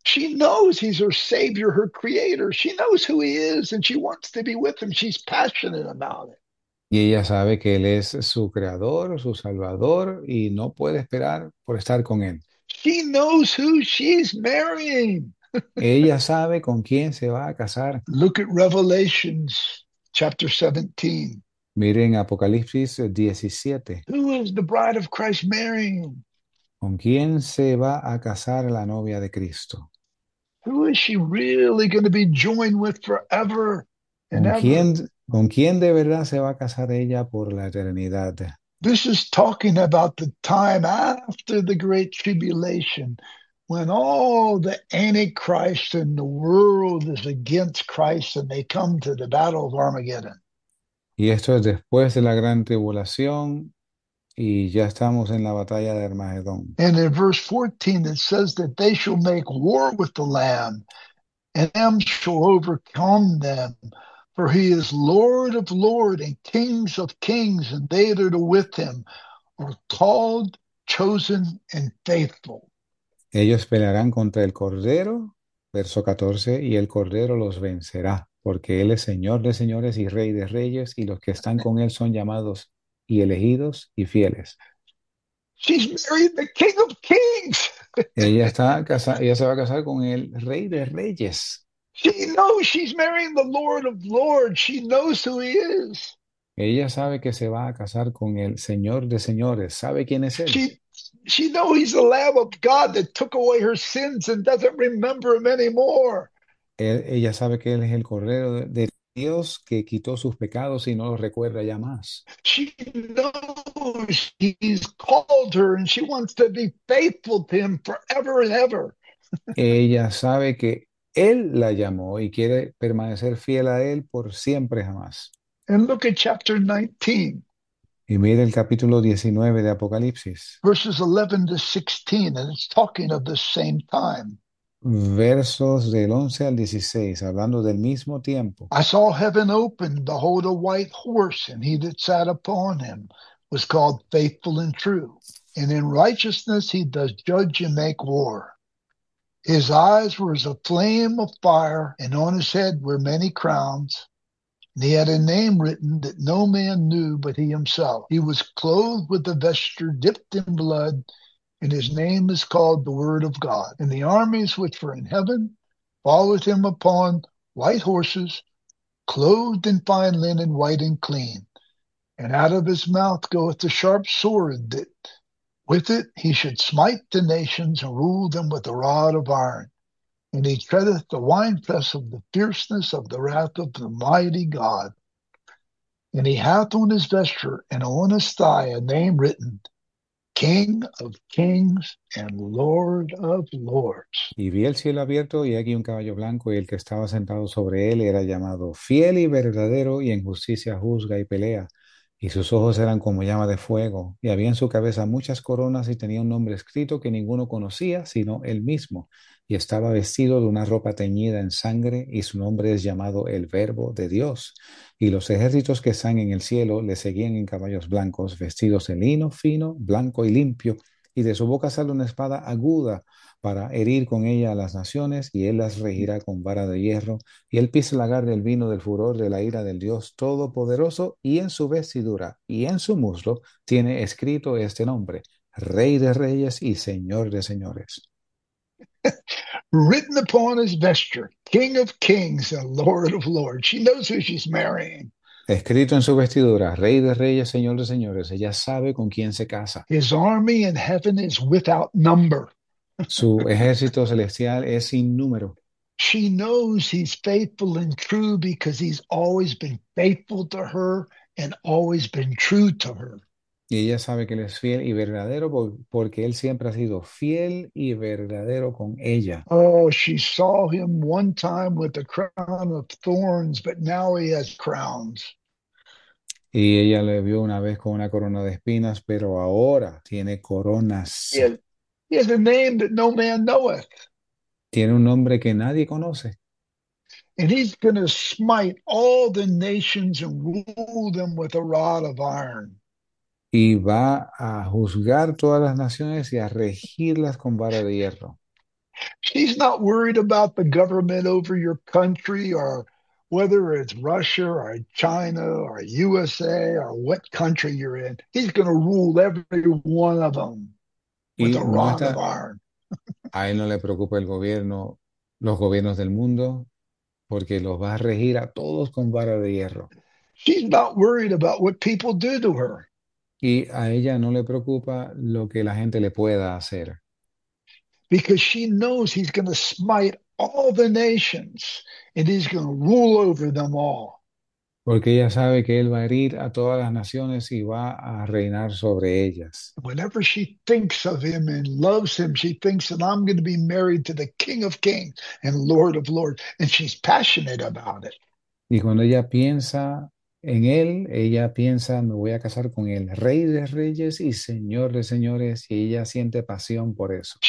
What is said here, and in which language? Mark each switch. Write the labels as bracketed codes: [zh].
[en] She knows he's her savior, her creator. She knows who he is, and she wants to be with him. She's passionate about it. [es] Y ella sabe que él es su creador, su salvador, y no puede esperar por estar con él. [en] She knows who she's marrying. [es] Ella sabe con quién se va a casar. [en] Look at Revelations chapter 17. [es] Miren Apocalipsis 17. [en] Who is the bride of Christ marrying? [es] ¿Con quién se va a casar la novia de Cristo? [en] Who is she really going to be joined with forever and [es] ¿Con [en] ever? [es] quién de verdad se va a casar ella por la eternidad? [en] This is talking about the time after the great tribulation when all the antichrist in the world is against Christ and they come to the battle of Armageddon. [es] Y esto es después de la gran tribulación y ya estamos en la batalla de Armagedón. [en] And in verse 14, it says that they shall make war with the Lamb, and them shall overcome them. For he is Lord of lords and kings of kings, and they that are with him are called, chosen, and faithful. [es] Ellos pelearán contra el Cordero, verso 14, y el Cordero los vencerá, porque él es Señor de señores y Rey de reyes, y los que están con él son llamados y elegidos y fieles. [en] She's married the king of [es] Ella [en] kings. [es] está casa, ella se va a casar con el Rey de reyes. [en] She knows she's marrying the Lord of Lords. She knows who he is. [es] Ella sabe que se va a casar con el Señor de señores. ¿Sabe quién es él? [en] She knows he's the Lamb of God that took away her sins and doesn't remember him anymore. [es] Ella sabe que él es el Cordero de Dios que quitó sus pecados y no los recuerda ya más. [en] She knows he's called her and she wants to be faithful to him forever and ever. [es] Ella sabe que él la llamó y quiere permanecer fiel a él por siempre jamás. [en] And look at chapter 19, [es] Y mire el capítulo 19 de Apocalipsis. [en] verses 11 to 16, and it's talking of the same time. [es] Versos del 11 al 16, hablando del mismo tiempo. [en] I saw heaven open, behold, a white horse, and he that sat upon him was called Faithful and True, and in righteousness he does judge and make war. His eyes were as a flame of fire, and on his head were many crowns. And he had a name written that no man knew but he himself. He was clothed with a vesture dipped in blood, and his name is called the Word of God. And the armies which were in heaven followed him upon white horses, clothed in fine linen, white and clean. And out of his mouth goeth a sharp sword, that with it he should smite the nations and rule them with a rod of iron. And he treadeth the winepress of the fierceness of the wrath of the mighty God. And he hath on his vesture and on his thigh a name written, King of Kings and Lord of Lords. [es] Y vi el cielo abierto y aquí un caballo blanco y el que estaba sentado sobre él era llamado fiel y verdadero y en justicia juzga y pelea. Y sus ojos eran como llama de fuego y había en su cabeza muchas coronas y tenía un nombre escrito que ninguno conocía sino él mismo. Y estaba vestido de una ropa teñida en sangre y su nombre es llamado el Verbo de Dios. Y los ejércitos que están en el cielo le seguían en caballos blancos vestidos de lino fino, blanco y limpio. Y de su boca sale una espada aguda para herir con ella a las naciones, y él las regirá con vara de hierro, y él pisa el lagar del vino del furor de la ira del Dios Todopoderoso, y en su vestidura y en su muslo tiene escrito este nombre: Rey de Reyes y Señor de Señores. [en] Written upon his vesture, King of Kings and Lord of Lords. She knows who she's marrying. [es] Escrito en su vestidura: Rey de Reyes, Señor de Señores. Ella sabe con quién se casa. [en] His army in heaven is without number. [es] Su ejército celestial es sin número. [en] She knows he's faithful and true because he's always been faithful to her and always been true to her. [es] Y ella sabe que él es fiel y verdadero porque él siempre ha sido fiel y verdadero con ella. [en] Oh, she saw him one time with a crown of thorns, but now he has crowns. [es] Y ella le vio una vez con una corona de espinas, pero ahora tiene coronas. [en] He has a name that no man knoweth. [es] Tiene un nombre que nadie conoce. [en] And he's going to smite all the nations and rule them with a rod of iron. [es] Y va a juzgar todas las naciones y a regirlas con vara de hierro. [en] She's not worried about the government over your country or whether it's Russia or China or USA or what country you're in. He's going to rule every one of them with [es] Y [en] a rod of iron. [es] A él no le preocupa el gobierno, los gobiernos del mundo, porque los va a regir a todos con vara de hierro. [en] She's not worried about what people do to her. [es] Y a ella no le preocupa lo que la gente le pueda hacer. [en] Because she knows he's going to smite all the nations and he's going to rule over them all. [es] Porque ella sabe que él va a herir a todas las naciones y va a reinar sobre ellas. [en] Whenever she thinks of him and loves him, she thinks that I'm going to be married to the King of Kings and Lord of Lords, and she's passionate about it. [es] Y cuando ella piensa en él, ella piensa, me voy a casar con el Rey de Reyes y Señor de Señores, y ella siente pasión por eso.